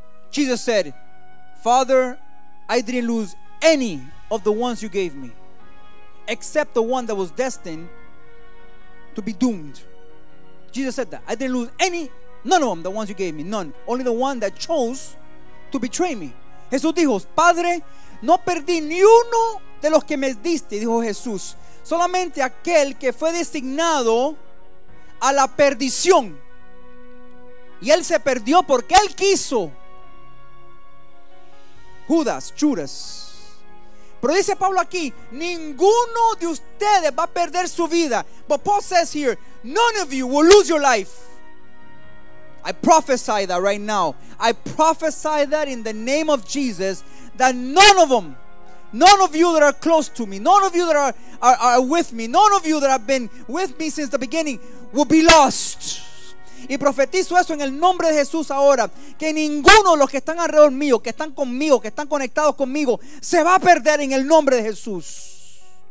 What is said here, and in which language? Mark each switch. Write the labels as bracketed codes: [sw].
[en] Jesus said, Father, I didn't lose any of the ones you gave me, except the one that was destined to be doomed. Jesus said that. I didn't lose any, none of them, the ones you gave me, none. Only the one that chose to betray me. [es] Jesús dijo, Padre, no perdí ni uno de los que me diste, dijo Jesús. Solamente aquel que fue designado a la perdición. Y él se perdió porque él quiso. Judas, Judas. Pero dice Pablo aquí, ninguno de ustedes va a perder su vida. [en] But Paul says here, none of you will lose your life. I prophesy that right now. I prophesy that in the name of Jesus, that none of them, none of you that are close to me, none of you that are with me, none of you that have been with me since the beginning will be lost. [es] Y profetizo eso en el nombre de Jesús ahora, que ninguno de los que están alrededor mío, que están conmigo, que están conectados conmigo, se va a perder en el nombre de Jesús.